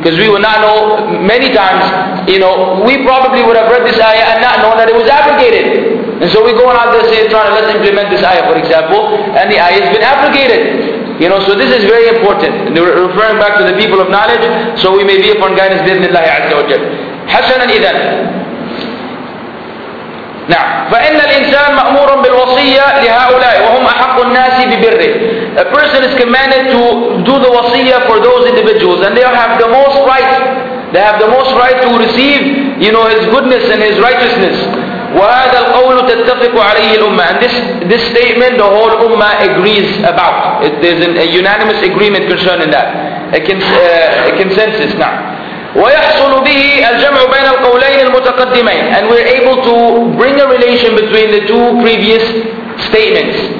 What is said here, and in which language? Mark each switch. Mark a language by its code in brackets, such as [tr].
[en] Because we would not know many times, you know, we probably would have read this ayah and not know that it was abrogated. And so we go out there saying, trying to let's implement this ayah, for example, and the ayah has been abrogated. You know, so this is very important. And they're referring back to the people of knowledge, so we may be upon guidance, bidnillahi azza wa jal. [ar] Hasanan idan. [en] Now, [ar] فإن الإنسان مأمور بالوصية لهؤلاء وهم أحق الناس ببره. [en] A person is commanded to do the wasiyah for those individuals, and they have the most right. They have the most right to receive, you know, his goodness and his righteousness. [ar] وهذا القول تتفق عليه الأمة. [en] And this statement the whole Ummah agrees about. There's a unanimous agreement concerning that. A consensus. Now. [ar] ويحصل به الجمع بين القولين المتقدمين. [en] And we're able to bring a relation between the two previous statements.